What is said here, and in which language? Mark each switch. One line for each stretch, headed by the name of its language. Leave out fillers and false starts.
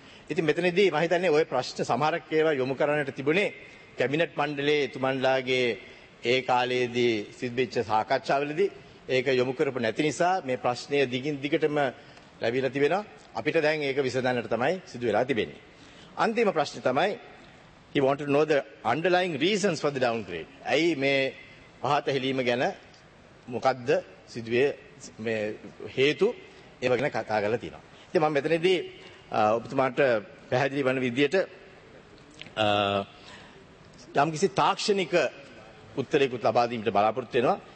Sinhala: ඉතින් මෙතනදී මම හිතන්නේ ওই ප්‍රශ්න සමහරක් ඒවා යොමු කරන්නට තිබුණේ කැබිනට් මණ්ඩලයේ එතුමන්ලාගේ ඒ කාලයේදී සිද්ධවෙච්ච සාකච්ඡාවලදී ඒක යොමු කරපු නැති නිසා මේ ප්‍රශ්නය දිගින් දිගටම ලැබිලා තිබෙනවා. අපිට දැන් ඒක විසඳන්නට තමයි සිදු වෙලා තිබෙන්නේ. අන්තිම ප්‍රශ්නේ තමයි,
English: he wanted to know the underlying reasons for the downgrade.
Sinhala: ඇයි මේ පහත හෙලීම ගැන මොකද්ද සිදුවේ මේ හේතු, ඒව ගැන කතා කරලා තියෙනවා. ඉතින් මම මෙතනදී ඔබතුමාට පැහැදිලි වන විදිහට යම්කිසි තාක්ෂණික උත්තරයකුත් ලබා දීමට බලාපොරොත්තු වෙනවා.